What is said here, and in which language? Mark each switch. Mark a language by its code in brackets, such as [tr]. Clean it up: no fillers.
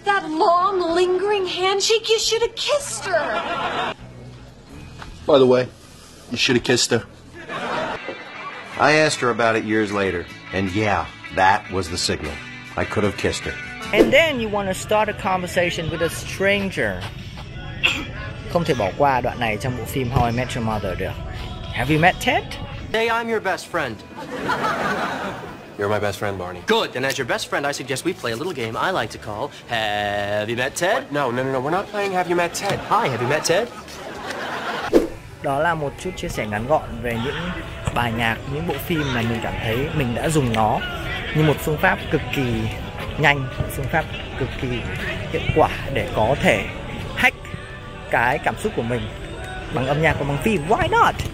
[en] That long lingering handshake, you should have kissed her. By the way, you should have kissed her. I asked her about it years later, and yeah, that was the signal. I could have kissed her. And then you want to start a conversation with a stranger. [vi] Không thể bỏ qua đoạn này trong bộ phim How I Met Your Mother được. [en] Have you met Ted? Hey, I'm your best friend. You're my best friend, Barney. Good, and as your best friend, I suggest we play a little game I like to call Have You Met Ted? What? No, we're not playing Have You Met Ted. Hi, have you met Ted? [vi] Đó là một chút chia sẻ ngắn gọn về những bài nhạc, những bộ phim mà mình cảm thấy mình đã dùng nó như một phương pháp cực kỳ nhanh, phương pháp cực kỳ hiệu quả để có thể hack cái cảm xúc của mình bằng âm nhạc và bằng phim. [en] Why not?